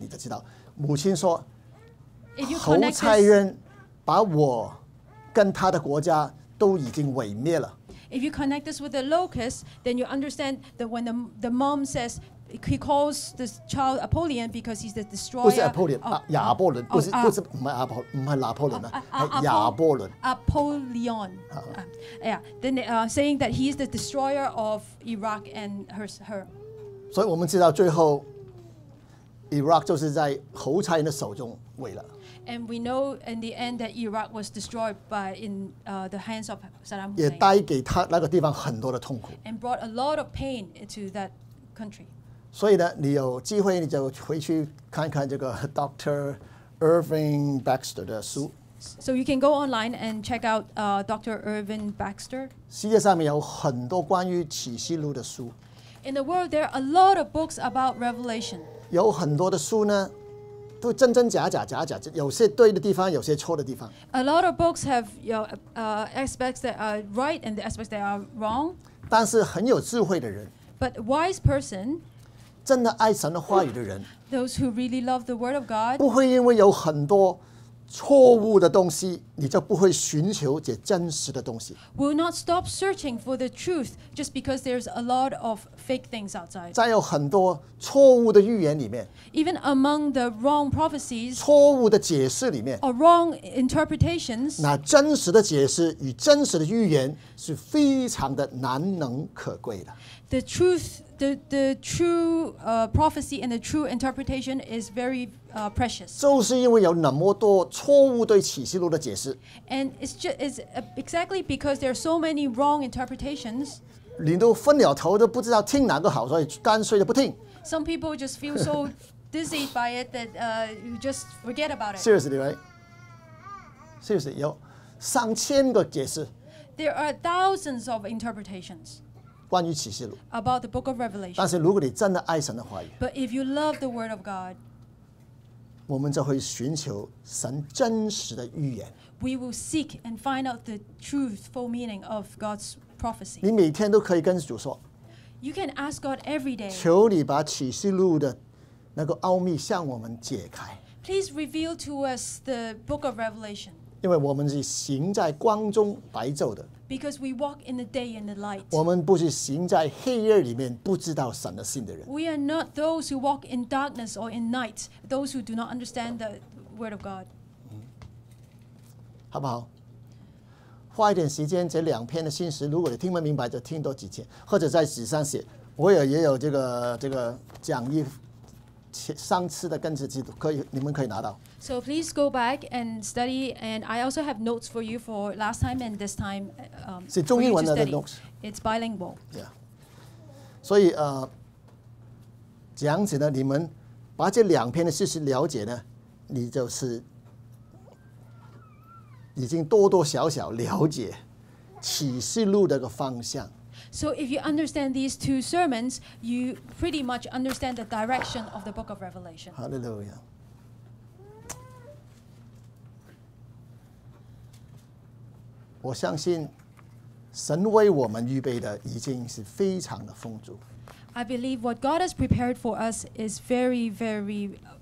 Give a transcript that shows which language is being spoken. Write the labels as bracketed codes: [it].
[zh] 那你把这个跟蝗虫连在一起，你就知道，母亲说， 侯差人把我跟他的国家都已经毁灭了。 [en] If you connect this with the locust, then you understand that when the mom says he calls this child Apollyon because he's the destroyer. [zh] 不是 Apollyon, 亚波伦, 不是 Napoleon, 亚波伦. [en] Apollyon. Yeah, then saying that he is the destroyer of Iraq and her. [zh] 所以我们知道最后 Iraq 就是在侯差人的手中毁了。 [en] And we know in the end that Iraq was destroyed by the hands of Saddam Hussein. [zh] 也带给他那个地方很多的痛苦。 [en] And brought a lot of pain to that country. [zh] 所以呢，你有机会你就回去看看这个 Dr. Irving Baxter 的书。 [en] So you can go online and check out Dr. Irving Baxter. [zh] 世界上面有很多关于启示录的书。 [en] In the world, there are a lot of books about Revelation. [zh] 有很多的书呢。都真真假假假假，有些对的地方，有些错的地方。 [en] A lot of books have aspects that are right and the aspects that are wrong. [zh] 但是很有智慧的人 [en] ，But wise person， [zh] 真的爱神的话语的人 [en] ，Those who really love the word of God， [zh] 不会因为有很多错误的东西，你就不会寻求这真实的东西。 [en] Will not stop searching for the truth just because there's a lot of fake things outside. [zh] 在有很多错误的预言里面 [en] ，even among the wrong prophecies， [zh] 错误的解释里面 [en] ，or wrong interpretations， [zh] 那真实的解释与真实的预言是非常的难能可贵的。 [en] The truth, the true prophecy and the true interpretation is very precious. [zh] 就是因为有那么多错误对启示录的解释 [en] ，and it's exactly because there are so many wrong interpretations. [zh] 你都昏了头，都不知道听哪个好，所以干脆就不听。 [en] Some people just feel so dizzied by it that you just forget about it. Seriously, right? Seriously, [zh] 有上千个解释。 [en] There are thousands of interpretations. [zh] 关于启示录。 [en] About the book of Revelation. [zh] 但是如果你真的爱神的话语 [en] ，But if you love the word of God. [zh] 我们就会寻求神真实的预言。 [en] We will seek and find out the truthful meaning of God's prophecy. [zh] 你每天都可以跟主说 [en] ，You can ask God every day. [zh] 求你把启示录的那个奥秘向我们解开。 [en] Please reveal to us the book of Revelation. [zh] 因为我们是行在光中白昼的。 [en] Because we walk in the day and the light. [zh] 我们不是行在黑夜里面不知道神的心的人。 [en] We are not those who walk in darkness or in night, those who do not understand the word of God. [zh] 好不好？花一点时间，这两篇的信息，如果你听不明白，就听多几天，或者在纸上写。我也有这个讲义，上次的根子基督，可以你们可以拿到。 [en] So please go back and study, and I also have notes for you for last time and this time. [zh] 是中英文的 notes. [en] It's bilingual. Yeah. [zh] 所以这样子呢，你们把这两篇的事实了解呢，你就是已经多多少少了解启示录的个方向。 [en] So if you understand these two sermons, you pretty much understand the direction of the book of Revelation. Hallelujah. [zh] 我相信神为我们预备的已经是非常的丰足。 [en] I believe what God has prepared for us is very, very.